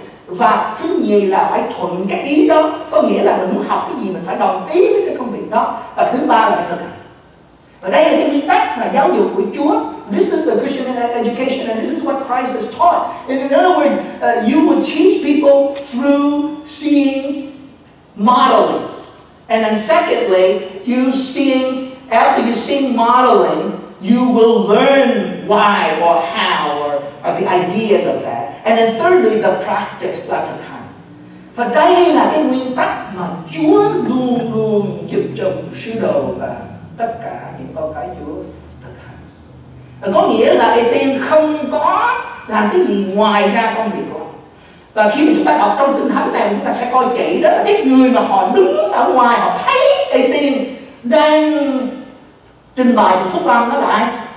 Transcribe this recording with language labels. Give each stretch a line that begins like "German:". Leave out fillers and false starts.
Vietnamese: Và thứ nhì là phải thuận cái ý đó, có nghĩa là mình muốn học cái gì mình phải đồng ý với cái công việc đó. Và thứ ba là phải thực hành. Và đây là cái nguyên tắc mà giáo dục của Chúa.
English: This is the Christian education and this is what Christ has taught. And in other words, you would teach people through seeing, modeling. And then secondly, you seeing, after you seeing modeling, you will learn why or how or the ideas of that. And then thirdly, the practice,
Vietnamese: là thực hành. Và đây là cái nguyên tắc mà Chúa luôn luôn giúp cho sứ đồ và tất cả những con cái Chúa thực hành. Có nghĩa là cái tên không có làm cái gì ngoài ra công việc của. Và khi mà chúng ta đọc trong Kinh Thánh này, chúng ta sẽ coi kỹ đó là cái người mà họ đứng ở ngoài, họ thấy cái tên đang trình bày phúc âm đó lại.